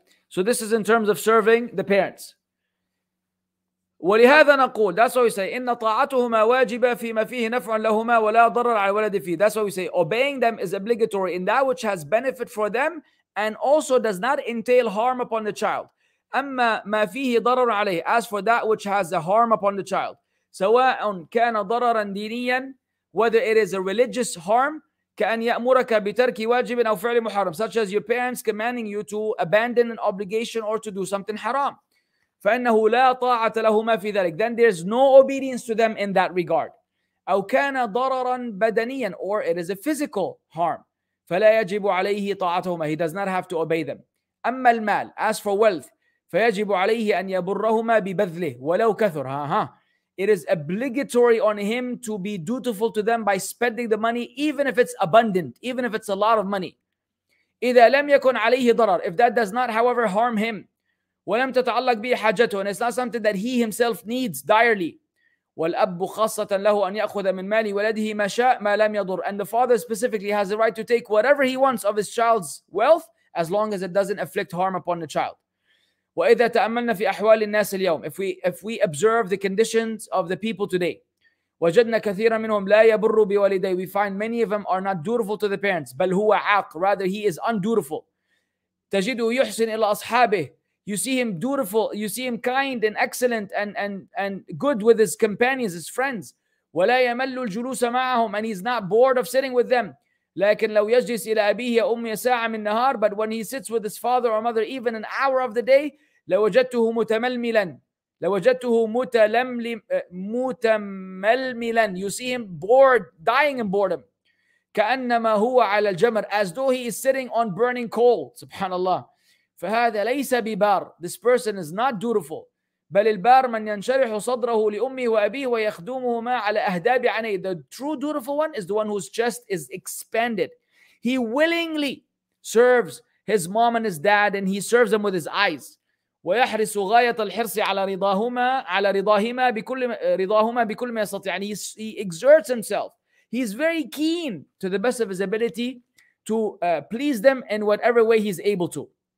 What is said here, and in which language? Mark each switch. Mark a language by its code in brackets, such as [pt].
[en] So this is in terms of serving the parents. [ar] ولهذا نقول. [en] That's what we say. [ar] إن طاعتهما واجبة فيما فيه نفع لهما ولا ضرر على الولد فيه. [en] That's what we say. Obeying them is obligatory in that which has benefit for them and also does not entail harm upon the child. [ar] أما ما فيه ضرر عليه. [en] As for that which has a harm upon the child. [ar] سواء كان ضررا دينيا, [en] whether it is a religious harm, [ar] كأن يأمرك بترك واجب أو فعل محرم, [en] such as your parents commanding you to abandon an obligation or to do something haram. [ar] فإنه لا طاعة لهما في ذلك. [en] Then there is no obedience to them in that regard. [ar] أو كان ضررا بدنيا, [en] or it is a physical harm. [ar] فلا يجب عليه طاعتهما. [en] He does not have to obey them. [ar] أما المال, [en] as for wealth, [ar] فيجب عليه أن يبرهما ببذله ولو كثر. [en] It is obligatory on him to be dutiful to them by spending the money, even if it's abundant, even if it's a lot of money. [ar] إذا لم يكن عليه ضرر, [en] if that does not, however, harm him, [ar] ولم تتعلق به حاجته, [en] and it's not something that he himself needs direly. [ar] والأب خاصة له أن يأخذ من مال ولده ما شاء ما لم يضر. [en] And the father specifically has the right to take whatever he wants of his child's wealth as long as it doesn't inflict harm upon the child. [ar] وإذا تأملنا في أحوال الناس اليوم, [en] if we observe the conditions of the people today, [ar] وجدنا كثيرا منهم لا يبر بوالدي, [en] we find many of them are not dutiful to the parents, [ar] بل هو عاق, [en] rather he is undutiful. [ar] تجده يحسن إلى أصحابه, [en] you see him dutiful, you see him kind and excellent and good with his companions, his friends. [ar] ولا يمل الجلوس معهم, [en] and he's not bored of sitting with them. [ar] لكن لو يجلس إلى أبيه أمي ساعة من النهار, [en] but when he sits with his father or mother even an hour of the day, [ar] لوجدته متململا, لوجدته متململا, [en] you see him bored, dying in boredom. [ar] كأنما هو على الجمر, [en] as though he is sitting on burning coal. [ar] سبحان الله. فهذا ليس ببار, [en] this person is not dutiful. [ar] بل البار من ينشرح صدره لأمه وأبيه ويخدمهما على أهداب عني. [en] The true dutiful one is the one whose chest is expanded. He willingly serves his mom and his dad and he serves them with his eyes. [ar] ويحرص غاية الحرص على رضاهما بكل ما يستطيع. [en] And he exerts himself. He's very keen to the best of his ability to please them in whatever way he's able to.